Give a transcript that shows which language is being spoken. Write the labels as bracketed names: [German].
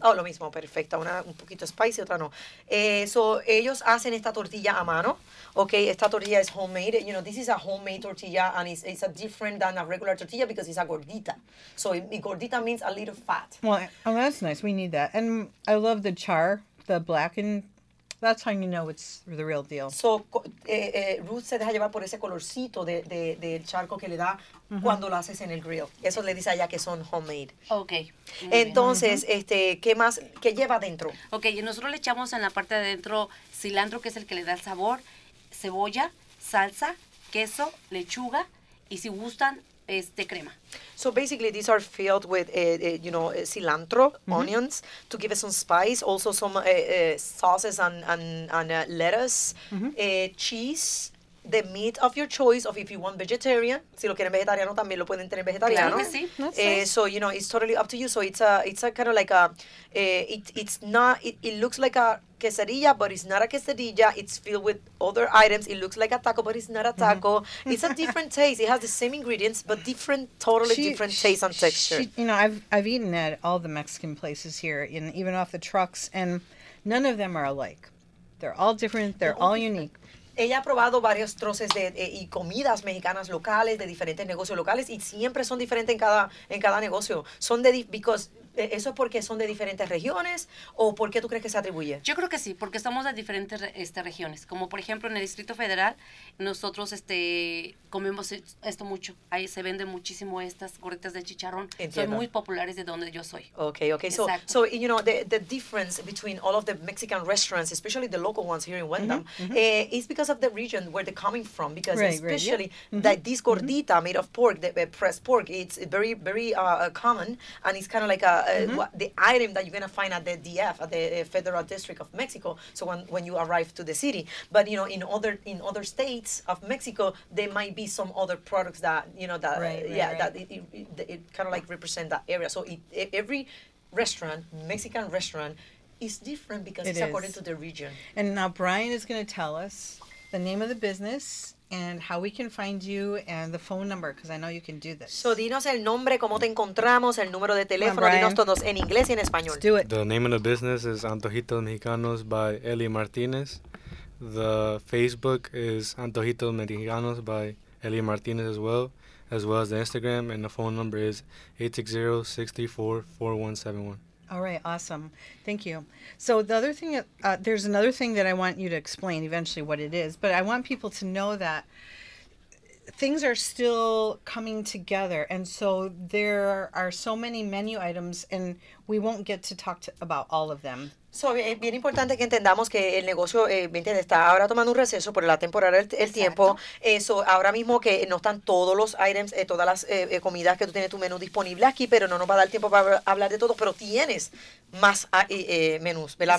[Spanish] Oh, lo mismo, perfecto. Una un poquito spicy, otra no. So ellos hacen esta tortilla a mano. [English] Okay, esta tortilla is homemade. You know, this is a homemade tortilla and it's a different than a regular tortilla because it's a gordita. So gordita means a little fat. Well, that's nice. We need that. And I love the char, the blackened. That's how you know it's the real deal. [Spanish] So, Ruth se deja llevar por ese colorcito del charco que le da mm-hmm. cuando lo haces en el grill. Eso le dice allá que son homemade. [English] Okay. [Spanish] Entonces, mm-hmm. ¿Qué más? ¿Qué lleva dentro? Okay, nosotros le echamos en la parte de adentro cilantro, que es el que le da el sabor, cebolla, salsa, queso, lechuga, y si gustan, crema. [English] So basically, these are filled with, you know, cilantro, mm-hmm. onions, to give it some spice. Also, some sauces and lettuce, mm-hmm. Cheese, the meat of your choice, of if you want vegetarian. [Spanish] Si lo quieren vegetariano, también lo pueden tener vegetariano. Claro que sí. [English] Nice. So, you know, it's totally up to you. So it's a kind of like a, it looks like a quesadilla, but it's not a quesadilla. It's filled with other items. It looks like a taco, but it's not a taco. Mm-hmm. It's a different taste. It has the same ingredients, but different taste and texture. You know, I've eaten at all the Mexican places here, and even off the trucks, and none of them are alike. They're all different. They're all unique. [Spanish] Ella ha probado varios troces de comidas mexicanas locales, de diferentes negocios locales, y siempre son diferentes en cada negocio. Son de ¿eso es porque son de diferentes regiones o por qué tú crees que se atribuye? Yo creo que sí, porque somos de diferentes regiones. Como por ejemplo en el Distrito Federal, nosotros comemos esto mucho. Ahí se venden muchísimo estas gorditas de chicharrón. Entiendo. Son muy populares de donde yo soy. [English] Okay, okay. [Spanish] Exacto. [English] So you know, the difference between all of the Mexican restaurants, especially the local ones here in Wendham, mm-hmm. Is because of the region where they're coming from. Because right, especially right, yeah. that this gordita mm-hmm. made of pork, the pressed pork, it's very, very common, and it's kind of like mm-hmm. the item that you're going to find at the DF, at the Federal District of Mexico, so when you arrive to the city. But, you know, in other states of Mexico, there might be some other products that, you know, that it kind of like represent that area. So every restaurant, Mexican restaurant, is different because it's according to the region. And now Brian is going to tell us the name of the business and how we can find you and the phone number, because I know you can do this. [Spanish] So, dinos el nombre, cómo te encontramos, el número de teléfono, dinos todos en inglés y en español. [English] Let's do it. The name of the business is Antojitos Mexicanos by Eli Martinez. The Facebook is Antojitos Mexicanos by Eli Martinez as well as the Instagram, and the phone number is 860-634-4171. All right, awesome. Thank you. So the other thing, there's another thing that I want you to explain eventually what it is, but I want people to know that things are still coming together, and so there are so many menu items, and we won't get to talk about all of them. [Spanish] So, es bien importante que entendamos que el negocio está ahora tomando un receso por la temporada del tiempo. Eso, ahora mismo que no están todos los items, todas las comidas que tú tienes tu menú disponible aquí, pero no nos va a dar tiempo para hablar de todo, pero tienes más menús, ¿verdad?